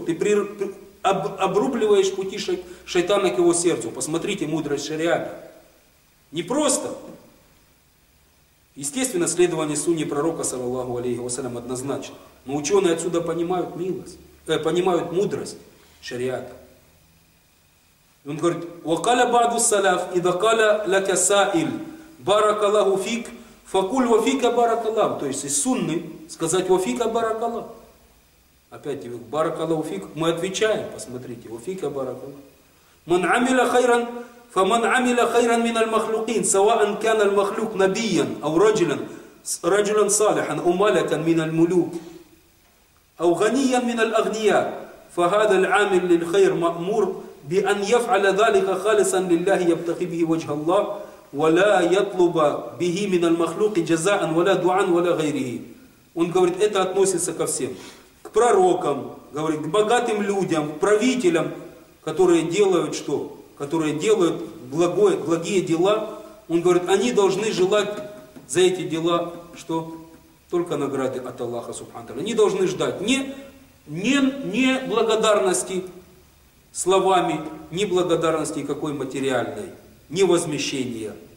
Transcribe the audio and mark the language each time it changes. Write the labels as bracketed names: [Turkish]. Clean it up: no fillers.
[Russian] Ты обрубливаешь пути шайтана к его сердцу. Посмотрите, мудрость шариата. Не просто. Естественно, следование сунне пророка, саллаллаху алейхи ва саллям, однозначно. Но ученые отсюда понимают милость. Понимают мудрость шариата. Он говорит: [Arabic] وَقَالَ بَعْدُ السَّلَافِ إِذَا قَالَ لَكَ سَائِلٌ بَارَكَ اللَّهُ فِيكَ فَقُلْ وَفِيكَ بَارَكَ اللَّهُ. [Russian] То есть из сунны сказать [Arabic] وَفِيكَ بَارَكَ اللَّهُ. [Russian] Опять тебе [Arabic] بَارَكَ اللَّهُ فِيكَ. [Russian] Мы отвечаем, посмотрите, [Arabic] وَفِيكَ بَارَكَ اللَّهُ. مَنْ عَمِلَ خَيْرًا فَمَنْ عَمِلَ خَيْرًا مِنَ الْمَخْلُوقِينَ سَوَاءً كَانَ الْمَخْلُوقُ نَبِيًّا أَوْ رَجُلًا صَالِحًا أَوْ مَلَكًا مِنَ الْمُلُوكِ أو غنيا من الأغنياء فهذا العامل للخير مأمور بأن يفعل ذلك خالصا لله يبتغي به وجه الله ولا يطلب به من المخلوق جزاء ولا دعاء ولا غيره. [Russian] Он говорит, это относится ко всем. К пророкам, говорит, к богатым людям, к правителям, которые делают что? Которые делают благие дела. Он говорит, они должны желать за эти дела что? Только награды от Аллаха субхана ва тааля. Не должны ждать ни благодарности словами, ни благодарности какой материальной, ни возмещения.